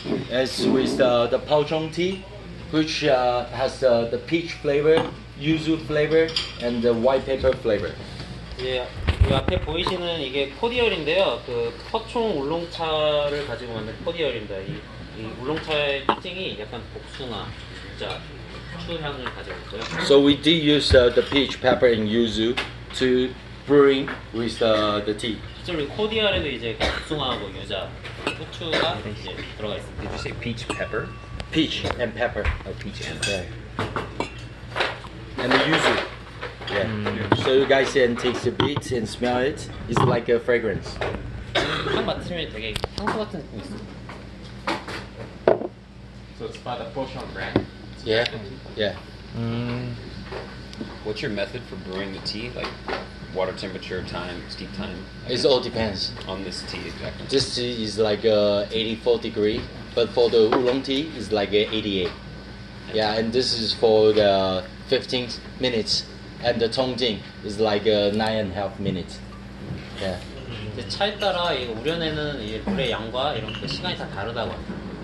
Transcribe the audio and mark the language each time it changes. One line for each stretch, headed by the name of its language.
English: It's with the Pao Chong tea, which has the peach flavor, yuzu flavor, and the white pepper flavor.
Korean: 예, 이 앞에 보이시는 이게 코디얼인데요. 그 퍼총 울롱차를 가지고 만든 코디얼입니다. 이 울롱차의 특징이 약간 복숭아, 진짜 추향을 가지고 있어요.
English: So we did use the peach, pepper, and yuzu to brewing with the tea.
Korean: 실제로 코디얼에도 이제 복숭아하고 유자, 후추가 이제 들어가 있습니다.
English: Did you say peach, pepper? Peach and pepper. Oh, peach and pepper. And the yuzu. Yeah. Mm. So you guys can taste a bit and smell it. It's like a fragrance.
Korean: 한 맛으면 되게 향수 같은 느낌 있어.
English: So it's by the Pochon brand. Yeah. Yeah. What's your method for brewing the tea? Like water temperature, time, steep time? It all depends. On this tea, exactly. This tea is like 84 degree, but for the oolong tea, it's like 88. Yeah, and this is for the 15 minutes, and the tongjing is like 9.5 minutes. Yeah.
Korean: 차에 따라 우려내는 물의 양과 이런 그 시간이 다 다르다고 합니다.